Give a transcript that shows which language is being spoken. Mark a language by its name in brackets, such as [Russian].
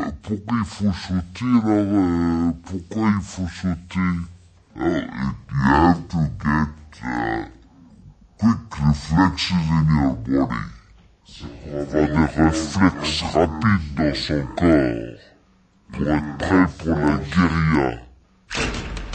[French] il faut sauter alors, pourquoi il faut sauter? [English] You have to get quick reflexes in your body. [French] Avoir des réflexes rapides dans son corps pour être prêt pour la guérilla.